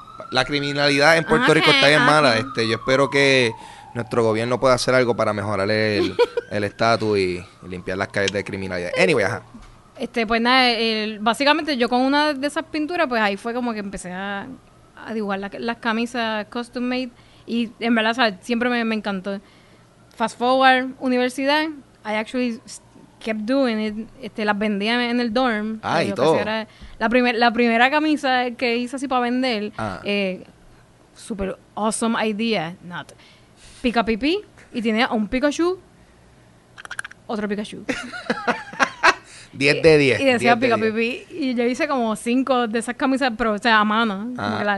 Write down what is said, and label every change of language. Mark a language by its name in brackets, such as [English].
[Spanish] La criminalidad en Puerto Rico está bien mala. Yo espero que nuestro gobierno pueda hacer algo para mejorar el estatus y limpiar las calles de criminalidad. Anyway, ajá. Pues nada, básicamente yo con una de esas pinturas, pues ahí fue como que empecé a dibujar las camisas custom made. Y en verdad, o sea, siempre me encantó. [English] Fast forward, universidad, I actually kept doing it. [Spanish] Las vendía en el dorm. Ah, y todo. Era la primera camisa que hice así para vender. Ah. [English] Super awesome idea. Not. [Spanish] Pica pipí y tenía un Pikachu, otro Pikachu. 10 de 10. Y decía pica pipí. Y yo hice como 5 de esas camisas, pero o sea, a mano. Ah.